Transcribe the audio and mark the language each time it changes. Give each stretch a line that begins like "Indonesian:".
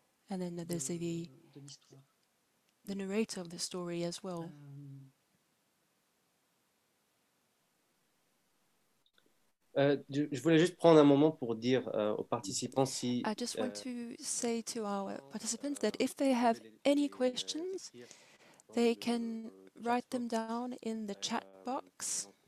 English: And then there's the narrator of the story as well.
French: Je voulais juste prendre un moment pour dire aux participants si.
English: I just want to say to our participants that if they have any questions, they can write them down in the chat box.